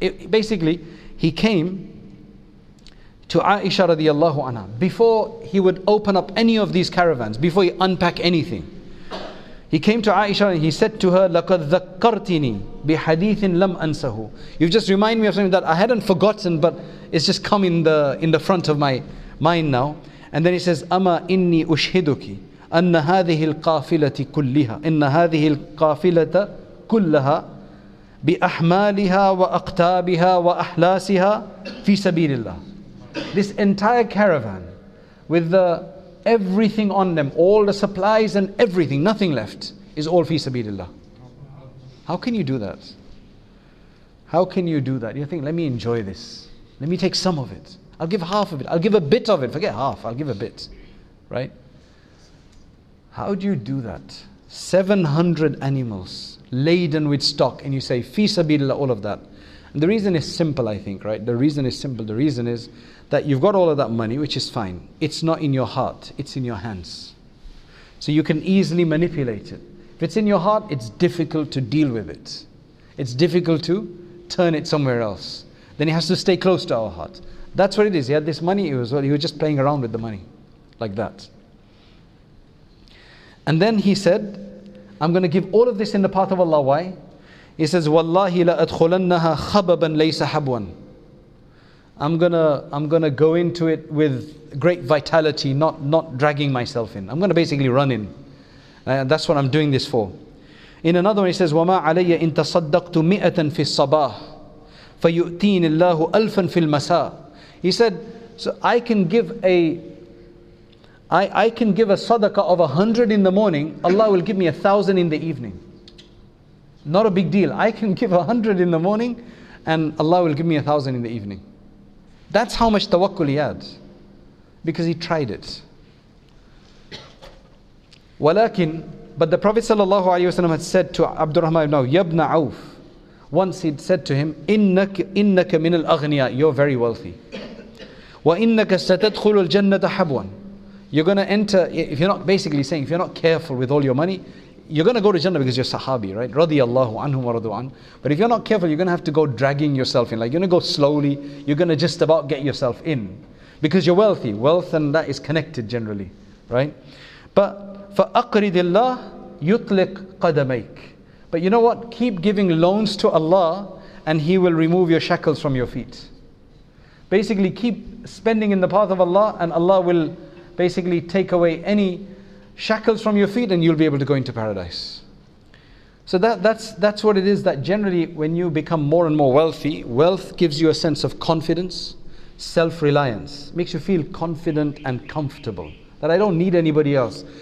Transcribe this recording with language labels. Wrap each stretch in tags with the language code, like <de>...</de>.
<en>Basically, he came to Aisha radiallahu anha before he would open up any of these caravans, before he unpack anything. He came to Aisha and he said to her,</en> <ar>لَقَدْ ذَكَّرْتِنِي بِحَدِيثٍ لَمْ أَنْسَهُ.</ar> <en>You've just reminded me of something that I hadn't forgotten, but it's just come in the front of my mind now. And then he says,</en> <ar>أَمَا إِنِّي أُشْهِدُكِ أَنَّ هَذِهِ الْقَافِلَةِ كُلِّهَا إِنَّ هَذِهِ الْقَافِلَةَ كُلَّهَا بِأَحْمَالِهَا وَأَقْتَابِهَا وَأَحْلَاسِهَا فِي سَبِيلِ اللَّهِ.</ar> <en>This entire caravan with everything on them, all the supplies and everything, nothing left, is all fi sabilillah. How can you do that? How can you do that? You think, let me enjoy this. Let me take some of it. I'll give half of it. I'll give a bit of it. Forget half. I'll give a bit. Right? How do you do that? 700 animals laden with stock, and you say fi sabilillah, all of that. And the reason is simple, I think, right? The reason is simple. The reason is that you've got all of that money, which is fine. It's not in your heart, it's in your hands. So you can easily manipulate it. If it's in your heart, it's difficult to deal with it. It's difficult to turn it somewhere else. Then it has to stay close to our heart. That's what it is. He had this money, he was just playing around with the money, like that. And then he said, I'm going to give all of this in the path of Allah. Why? He says,</en> <ar>وَاللَّهِ لَأَدْخُلَنَّهَا خَبَبًا لَيْسَ حَبْوًا.</ar> <en>I'm gonna go into it with great vitality, not dragging myself in. I'm gonna basically run in. And that's what I'm doing this for. In another one, he says,</en> <ar>وَمَا عَلَيَّ إِن تَصَدَّقْتُ مِئَةً فِي الصَّبَاحِ فَيُؤْتِينِ اللَّهُ أَلْفًا فِي الْمَسَاءِ.</ar> <en>He said, so I can give a sadaqah of 100 in the morning, Allah will give me 1,000 in the evening. Not a big deal. I can give 100 in the morning and Allah will give me 1,000 in the evening. That's how much tawakkul he had. Because he tried it. Walakin, but the Prophet sallallahu alayhi wa sallam had said to Abdurrahman ibn Auf, Yabna Auf. Once he'd said to him,</en> <ar>Innaka min al-aghniya,</ar> <en>you're very wealthy.</en> <ar>Wa innaka satadkhulu al-jannata habwan.</ar> <en>You're going to enter, if you're not, basically saying, if you're not careful with all your money, you're going to go to Jannah because you're Sahabi, right?</en> <ar>Radiallahu anhum wa radu an.</ar> <en>But if you're not careful, you're going to have to go dragging yourself in. Like, you're going to go slowly. You're going to just about get yourself in. Because you're wealthy. Wealth and that is connected generally, right? But,</en> <ar>فَأَقْرِدِ اللَّهِ يُطْلِقْ قَدَمَيْكِ.</ar> <en>But you know what? Keep giving loans to Allah and He will remove your shackles from your feet. Basically, keep spending in the path of Allah and Allah will basically take away any shackles from your feet and you'll be able to go into paradise. So that's what it is, that generally when you become more and more wealthy, wealth gives you a sense of confidence, self-reliance, makes you feel confident and comfortable, that I don't need anybody else.</en>